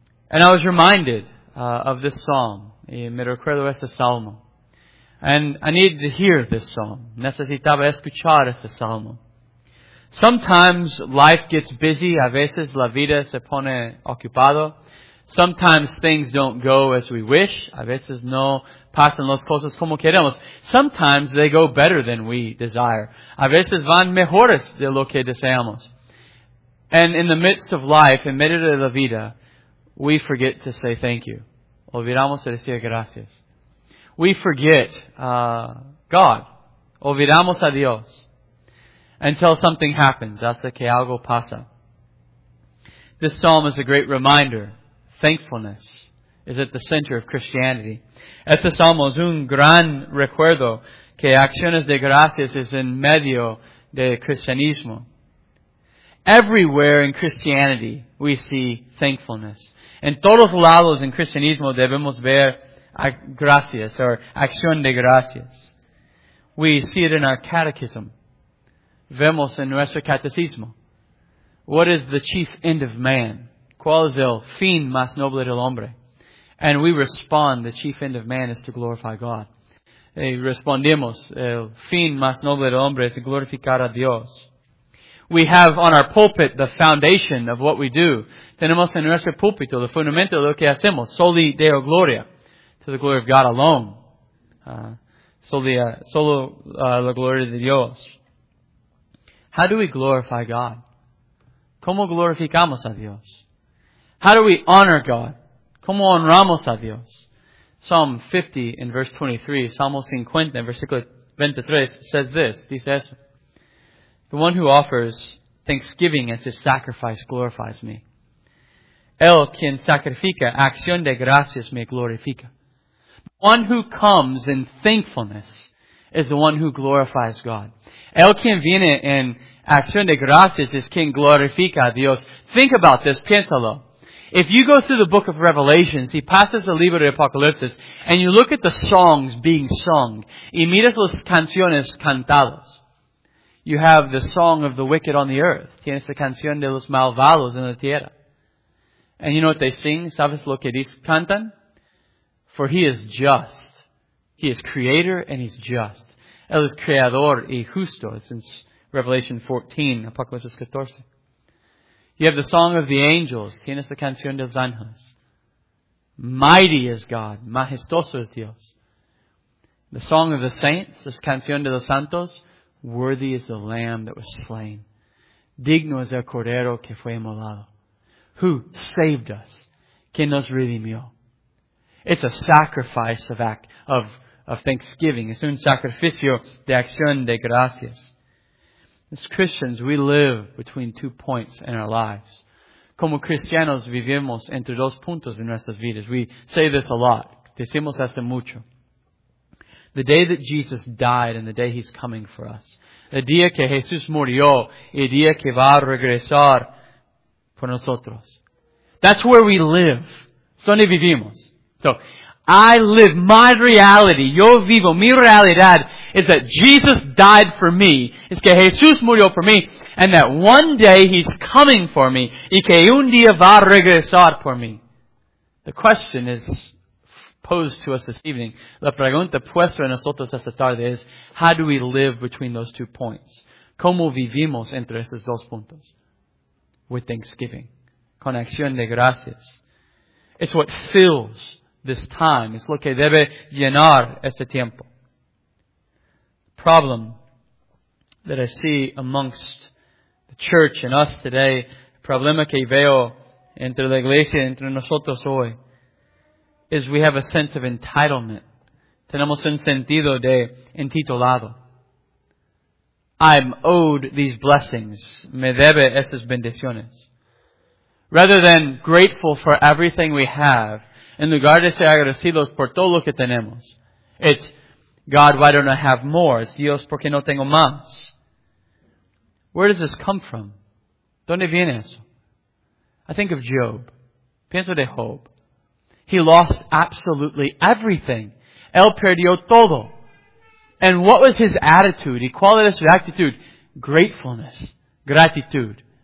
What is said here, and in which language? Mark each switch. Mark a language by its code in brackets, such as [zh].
[en] And I was reminded of this psalm, [es] y me recuerdo este salmo. [en] And I needed to hear this psalm, [es] necesitaba escuchar este salmo. [en] Sometimes life gets busy, [es] a veces la vida se pone ocupado. [en] Sometimes things don't go as we wish. [es] A veces no pasan las cosas como queremos. [en] Sometimes they go better than we desire. [es] A veces van mejores de lo que deseamos. [en] And in the midst of life, [es] en medio de la vida, [en] we forget to say thank you. [es] Olvidamos de decir gracias. [en] We forget God. [es] Olvidamos a Dios. [en] Until something happens. [es] Hasta que algo pasa. [en] This psalm is a great reminder. Thankfulness is at the center of Christianity. [es] Este salmo es un gran recuerdo que acciones de gracias es en medio de cristianismo. [en] Everywhere in Christianity we see thankfulness. [es] En todos lados en cristianismo debemos ver gracias or acción de gracias. [en] We see it in our catechism. [es] Vemos en nuestro catecismo. [en] What is the chief end of man? [es] ¿Cuál es el fin más noble del hombre? [en] And we respond, the chief end of man is to glorify God. [es] Y respondemos, el fin más noble del hombre es glorificar a Dios. [en] We have on our pulpit the foundation of what we do. [es] Tenemos en nuestro púlpito el fundamento de lo que hacemos. [la] Soli Deo Gloria. [en] To the glory of God alone. [es] La gloria de Dios. [en] How do we glorify God? [es] ¿Cómo glorificamos a Dios? [en] How do we honor God? [es] ¿Cómo honramos a Dios? [en] Psalm 50 in verse 23, [es] Salmo 50 in versículo 23 [en] says this, [es] dice eso. [en] The one who offers thanksgiving as his sacrifice glorifies me. [es] El quien sacrifica acción de gracias me glorifica. [en] one who comes in thankfulness is the one who glorifies God. [es] El quien viene en acción de gracias es quien glorifica a Dios. [en] Think about this, [es] piénsalo. [en] If you go through the book of Revelation, [es] si pasas el libro de Apocalipsis, [en] and you look at the songs being sung, [es] y miras las canciones cantadas, [en] you have the song of the wicked on the earth. [es] Tienes la canción de los malvados en la tierra. [en] And you know what they sing? [es] ¿Sabes lo que dice? Cantan? [en] For he is just. He is creator and he's just. [es] Él es creador y justo. [en] It's in Revelation 14, Apocalipsis 14. You have the song of the angels. [es] Tienes la canción de los ángeles. [en] Mighty is God. [es] Majestoso es Dios. [en] The song of the saints. [es] La canción de los santos. [en] Worthy is the lamb that was slain. [es] Digno es el cordero que fue inmolado. [en] Who saved us. [es] Quien nos redimió. [en] It's a sacrifice of thanksgiving. [es] Es un sacrificio de acción de gracias. [en] As Christians, we live between two points in our lives. [es] Como cristianos, vivimos entre dos puntos en nuestras vidas. [en] We say this a lot. [es] Decimos esto mucho. [en] The day that Jesus died and the day he's coming for us. [es] El día que Jesús murió y el día que va a regresar por nosotros. [en] That's where we live. [es] Es donde vivimos. [en] So, I live my reality. [es] Yo vivo mi realidad. [en] Is that Jesus died for me. [es] Es que Jesús murió por mí. [en] And that one day he's coming for me. [es] Y que un día va a regresar por mí. [en] The question is posed to us this evening. [es] La pregunta puesta a nosotros esta tarde es, [en] how do we live between those two points? [es] ¿Cómo vivimos entre esos dos puntos? [en] With thanksgiving. [es] Con acción de gracias. [en] It's what fills this time. [es] Es lo que debe llenar este tiempo. [en] Problem that I see amongst the church and us today, [es] problema que veo entre la iglesia y entre nosotros hoy, [en] is we have a sense of entitlement. [es] Tenemos un sentido de entitolado. [en] I'm owed these blessings. [es] Me debe estas bendiciones. [en] Rather than grateful for everything we have, [es] en lugar de ser agradecidos por todo lo que tenemos, [en] it's God, why don't I have more? [es] It's Dios, ¿por qué no tengo más? [en] Where does this come from? [es] ¿Dónde viene eso? [en] I think of Job. [es] Pienso de Job. [en] He lost absolutely everything. [es] Él perdió todo. [en] And what was his attitude? [es] ¿Y cuál era su actitud? [en] Gratefulness. Gratitude.